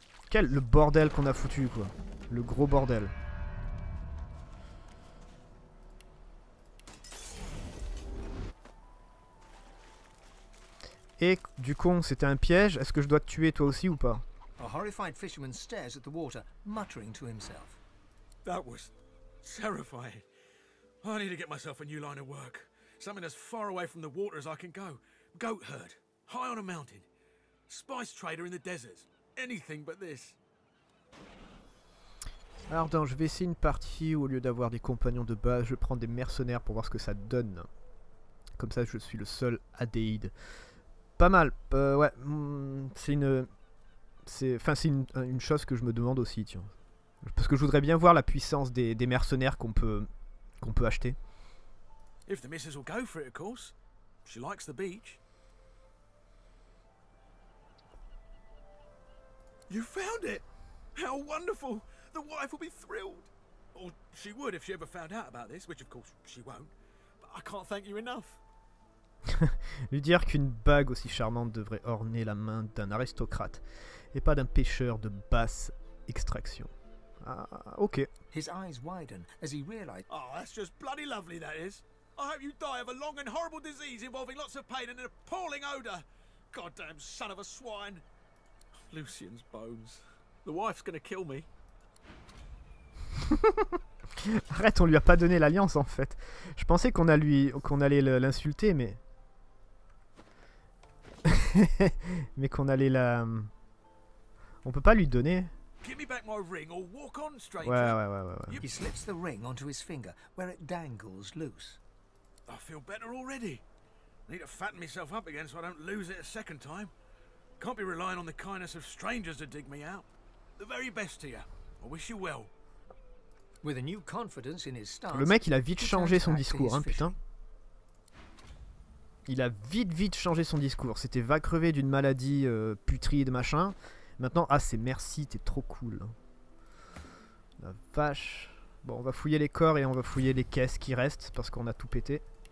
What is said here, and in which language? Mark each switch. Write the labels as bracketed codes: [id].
[fr] Quel le bordel qu'on a foutu, quoi. Le gros bordel. Et du coup, c'était un piège. Est-ce que je dois te tuer toi aussi ou pas? [en] A horrified fisherman stares at the water, muttering to himself. That was terrifying. I need to get myself a new line of work. Something as far away from the water as I can go. Goat herd, high on a mountain. Spice trader in the deserts. Anything but this. [fr] Alors, attends, je vais essayer une partie où au lieu d'avoir des compagnons de base, je prends des mercenaires pour voir ce que ça donne. Comme ça, je suis le seul Adéide. Pas mal. Ouais, c'est une... C'est une chose que je me demande aussi, tiens. Parce que je voudrais bien voir la puissance des mercenaires qu'on peut acheter. [en] If the missus will go for it, of course. She likes the beach. You found it! How wonderful! The wife will be thrilled. Or she would if she ever found out about this, which of course she won't. But I can't thank you enough. [fr] Lui dire qu'une bague aussi charmante devrait orner la main d'un aristocrate et pas d'un pêcheur de basse extraction. Ah, ok. [en] His eyes widen as he realized. Oh, that's just bloody lovely, that is. I hope you die of a long and horrible disease involving lots of pain and an appalling odor. Goddamn son of a swine. Lucien's bones. The wife's gonna kill me. [fr] Arrête, on lui a pas donné l'alliance en fait. Je pensais qu'on allait l'insulter, mais. Mais qu'on allait la. On peut pas lui donner. [en] Give me back my ring or walk on straight. [fr] Ouais. [en] He slips the ring onto his finger, where it dangles loose. I feel better already. I need to fatten myself up again so I don't lose it a second time. Can't be relying on the kindness of strangers to dig me out. The very best to you. I wish you well. With a new confidence in his stance. [fr] Le mec, il a vite changé son discours, hein, putain. Il a vite changé son discours. C'était va crever d'une maladie putride, machin. Maintenant, ah, c'est merci, t'es trop cool. La vache. Bon, on va fouiller les corps et on va fouiller les caisses qui restent parce qu'on a tout pété.